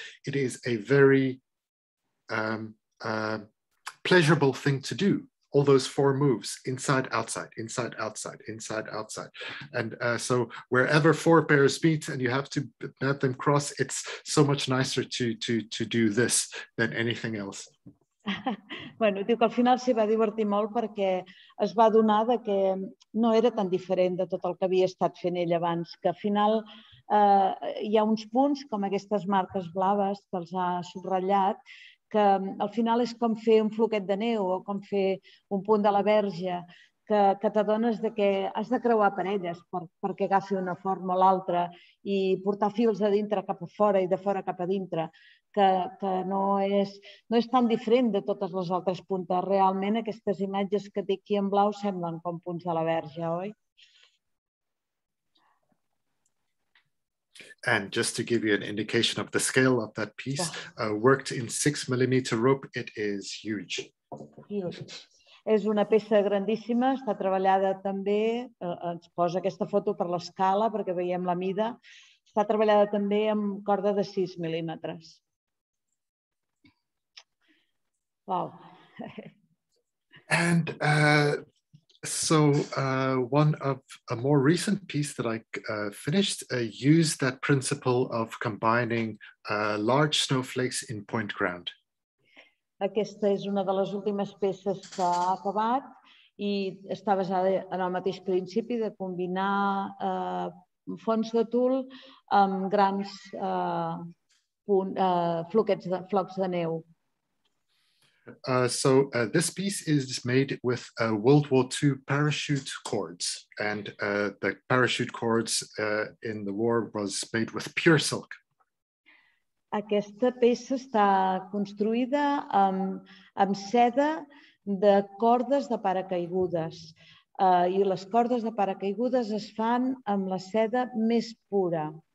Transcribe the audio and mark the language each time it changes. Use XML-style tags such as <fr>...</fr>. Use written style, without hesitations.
<en>It is a very pleasurable thing to do. All those 4 moves, inside, outside, inside, outside, inside, outside. And so wherever 4 pairs meet and you have to let them cross, it's so much nicer to do this than anything else.</en> <ca>Bueno, diu que al final s'hi va divertir molt perquè es va adonar que no era tan diferent de tot el que havia estat fent ell abans, que al final hi ha uns punts com aquestes marques blaves que els ha subratllat, que al final és com fer un floquet de neu o com fer un punt de la verge, que t'adones de que has de creuar per elles perquè agafi una forma o l'altra i portar fils de dintre cap a fora i de fora cap a dintre, que no és tan diferent de totes les altres puntes. Realment, aquestes imatges que té aquí en blau semblen com punts de la Verge, oi?</ca> <en>And just to give you an indication of the scale of that piece, worked in 6mm rope, it is huge.</en> <ca>És una peça grandíssima, està treballada també, ens posa aquesta foto per l'escala perquè veiem la mida, està treballada també amb corda de 6mm.</ca> <en>Wow. And one of a more recent piece that I finished used that principle of combining large snowflakes in point ground.</en> <ca>Aquesta és una de les últimes peces que ha acabat i està basada en el mateix principi de combinar fons de tul amb grans flocs de neu.</ca> <en>This piece is made with World War II parachute cords, and the parachute cords in the war was made with pure silk.</en> <ca>Aquesta peça està construïda amb seda de cordes de paracaigudes, i les cordes de paracaigudes es fan amb la seda més pura.</ca>